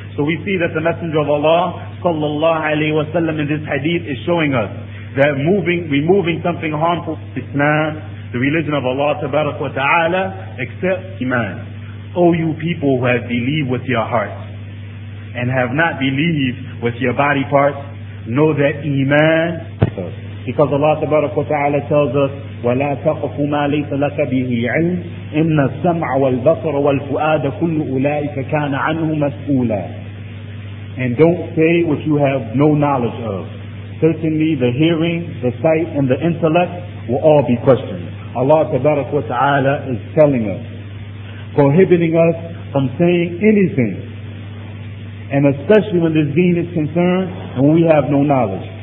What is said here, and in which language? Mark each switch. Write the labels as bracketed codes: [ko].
[en] So we see that the Messenger of Allah صلى الله عليه وسلم in this hadith is showing us that removing something harmful to Islam, the religion of Allah tabarak wa ta'ala, except Iman. O you people who have believed with your hearts, and have not believed with your body parts, know that iman. [ar] Because Allah subhanahu wa ta'ala tells us, وَلَا تَقْفُ مَا لَيْسَ لَكَ بِهِ عِلْمٍ إِنَّ السَّمْعَ وَالْبَصَرَ وَالْفُؤَادَ كُلُّ أُولَٰئِكَ كَانَ عَنْهُ مَسْئُولًا. [en] And don't say what you have no knowledge of. Certainly the hearing, the sight, and the intellect will all be questioned. Allah subhanahu wa ta'ala is telling us, prohibiting us from saying anything, and especially when this deen is concerned and we have no knowledge.